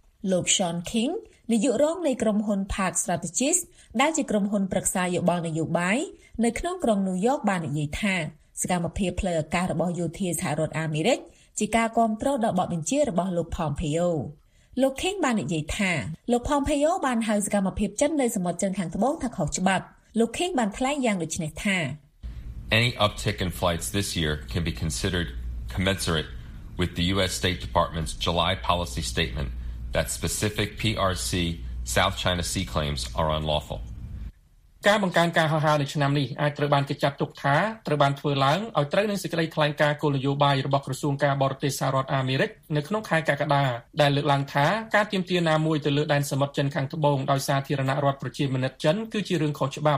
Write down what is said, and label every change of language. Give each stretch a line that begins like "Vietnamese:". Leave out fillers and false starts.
Khmer: លោក Sean King នាយករងនៃក្រុមហ៊ុន Park Strategies ដែលជាក្រុមហ៊ុនប្រឹក្សាយោបល់នយោបាយនៅក្នុងក្រុង New York បាននិយាយថាសកម្មភាពផ្លូវអាកាសរបស់យោធាសហរដ្ឋអាមេរិកជាការគាំទ្រដល់បទបញ្ជារបស់លោក Pompeo លោក King បាននិយាយថាលោក Pompeo បានហៅសកម្មភាពចិននៅសមុទ្រចិនខាងត្បូងថាខុសច្បាប់លោក King បានថ្លែងយ៉ាងដូចនេះថា
English: Any uptick in flights this year can be considered commensurate with the US State Department's July policy statementthat specific PRC South China Sea claims are unlawful.
Khmer: ការបង្កើនការហោះហើរនៅឆ្នាំនេះអាចត្រូវបានគេចាត់ទុកថាត្រូវបានធ្វើឡើងឲ្យត្រូវនឹងសេចក្តីថ្លែងការណ៍គោលនយោបាយរបស់ក្រសួងការបរទេសសហរដ្ឋអាមេរិកនៅក្នុងខែកក្កដាដែលលើកឡើងថាការទាមទារណាមួយទៅលើដែនសមុទ្រចិនខាងត្បូងដោយសាធារណរដ្ឋប្រជាមានិតចិនគឺជារឿងខុសច្បាប